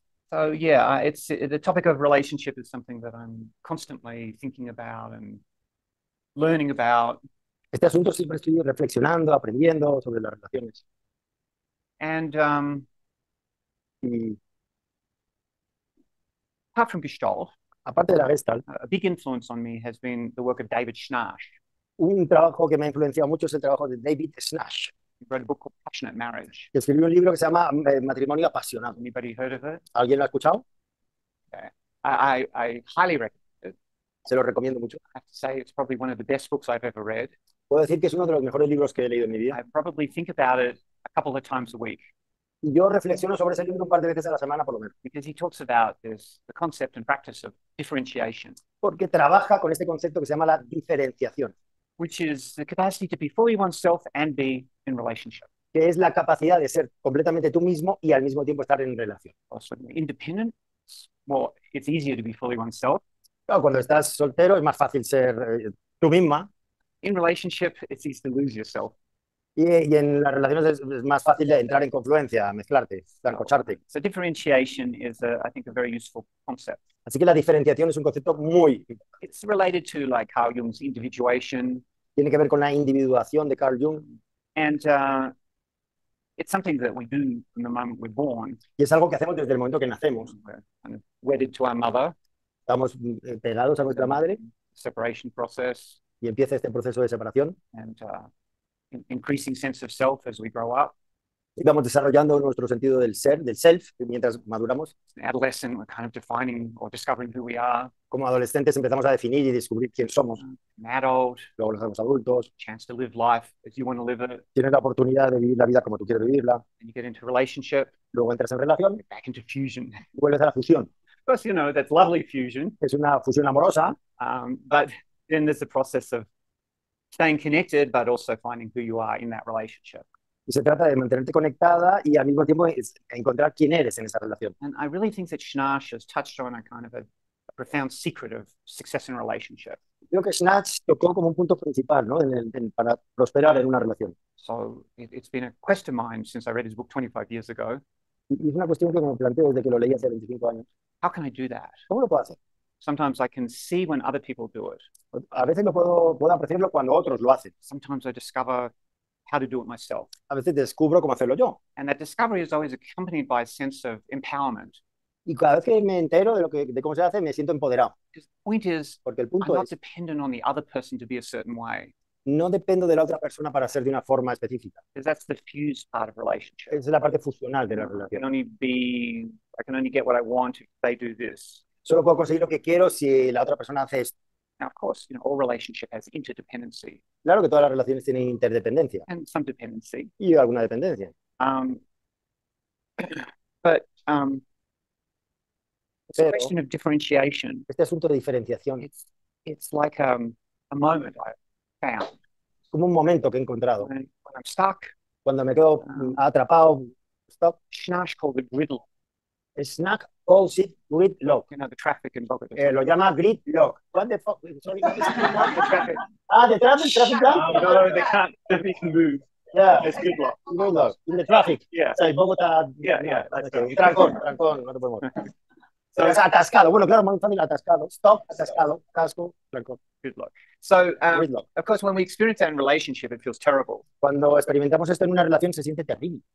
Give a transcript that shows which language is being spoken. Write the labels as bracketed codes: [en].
[en] So yeah, it's the topic of relationship is something that I'm constantly thinking about and learning about. [es] Este asunto siempre estoy reflexionando, aprendiendo sobre las relaciones. [en] And [es] Y [en] apart from Gestalt, [es] aparte de la Gestalt, [en] a big influence on me has been the work of David Schnarch. [es] un trabajo que me ha influenciado mucho es el trabajo de David Snash, [en] He wrote a book called Passionate Marriage. [es] que escribió un libro que se llama Matrimonio Apasionado. [en] Anybody heard of it? [es] ¿Alguien lo ha escuchado? [en] I highly recommend it. [es] Se lo recomiendo mucho. [en] Have to say it's probably one of the best books I've ever read. [es] Puedo decir que es uno de los mejores libros que he leído en mi vida. [en] I probably think about it a couple of times a week. [es] Yo reflexiono sobre ese libro un par de veces a la semana, por lo menos. [en] Because he talks about this, the concept and practice of differentiation, [es] Porque trabaja con este concepto que se llama la diferenciación, [en] which is the capacity to be fully oneself and be in relationship. [es] que es la capacidad de ser completamente tú mismo y al mismo tiempo estar en relación. [en] Also, independent, well, it's easier to be fully oneself. [es] Claro, cuando estás soltero es más fácil ser tú misma. [en] In relationship, it's easy to lose yourself. [es] Y en las relaciones es más fácil de entrar en confluencia, mezclarte, [en] So, [es] encocharte. [en] differentiation is a, I think, a very useful concept. [es] Así que la diferenciación es un concepto muy importante. [en] It's related to like Carl Jung's individuation. [es] Tiene que ver con la individuación de Carl Jung. [en] And it's something that we do from the moment we're born. [es] Y es algo que hacemos desde el momento que nacemos. [en] We're kind of wedded to our mother. [es] Estamos pegados a nuestra madre [en] Separation process. [es] y empieza este proceso de separación. [en] And increasing sense of self as we grow up. [es] Y vamos desarrollando nuestro sentido del ser, del self, mientras maduramos. [en] Adolescent, we're kind of defining or discovering who we are. [es] Como adolescentes empezamos a definir y descubrir quién somos. [en] Adult, [es] Luego nos hacemos adultos. [en] chance to live life as you want to live it. [es] Tienes la oportunidad de vivir la vida como tú quieres vivirla. [en] And you get into relationship, [es] Luego entras en relación. [en] back into fusion. Of [es] Vuelves a la fusión. [en] course, you know, that's lovely fusion. [es] Es una fusión amorosa. [en] But then there's the process of staying connected, but also finding who you are in that relationship. [es] Y se trata de mantenerte conectada y al mismo tiempo encontrar quién eres en esa relación. [en] And I really think that Schnarch has touched on a kind of a profound secret of success in relationship. [es] Creo que Snatch tocó como un punto principal, ¿no? Para prosperar en una relación. [en] So it's been a quest of mine since I read his book 25 years ago. [es] Y es una cuestión que me planteo desde que lo leí hace 25 años. [en] How can I do that? [es] ¿Cómo lo puedo hacer? [en] Sometimes I can see when other people do it. [es] A veces lo puedo apreciarlo cuando otros lo hacen. [en] Sometimes I discover how to do it myself. [es] A veces descubro cómo hacerlo yo. [en] And that discovery is always accompanied by a sense of empowerment. [es] Y cada vez que me entero de lo que de cómo se hace, me siento empoderado. [en] Because the point is, [es] Porque el [en] I'm [es] punto [en] not [es] es, [en] dependent on the other person to be a certain way. [es] no dependo de la otra persona para ser de una forma específica. [en] Because that's the fused part of relationship. [es] Es la parte fusional de la relación. [en] I can only get what I want if they do this. [es] Solo puedo conseguir lo que quiero si la otra persona hace esto. [en] Now, of course, you know, all relationship has interdependency [es] Claro que todas las relaciones tienen interdependencia [en] and some dependency. [es] y alguna dependencia. [en] But it's a [es] Pero [en] question of differentiation. [es] este asunto de diferenciación, [en] It's like a moment I found [es] como un momento que he encontrado, [en] when I'm stuck. [es] cuando me quedo atrapado, stop. [en] Schnarch called it riddle. Snack Calls it gridlock. You know, the traffic in Bogota. [es] Lo llama gridlock. [en] What the fuck? Sorry, what is the traffic? Ah, the traffic, traffic jam? No, no, they can't. They can move. Yeah. It's gridlock. Gridlock. In the traffic. Yeah. So in Bogota. Yeah, yeah. [es] Trancón, trancón. [en] So it's atascado. [es] Bueno, claro, mountain atascado. Stop, atascado. Casco, trancón. [en] Gridlock. So, gridlock. Of course, when we experience that in relationship, it feels terrible. [es] Cuando experimentamos esto en una relación, se siente terrible.